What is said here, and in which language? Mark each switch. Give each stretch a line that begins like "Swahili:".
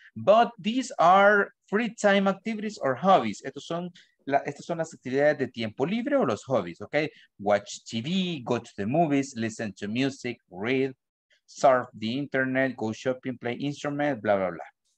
English: But these are free time activities or hobbies.
Spanish: Estas son las actividades de tiempo libre o los hobbies, okay?
English: Watch TV, go to the movies, listen to music, read, surf the internet, go shopping, play instrument, blah, blah, blah.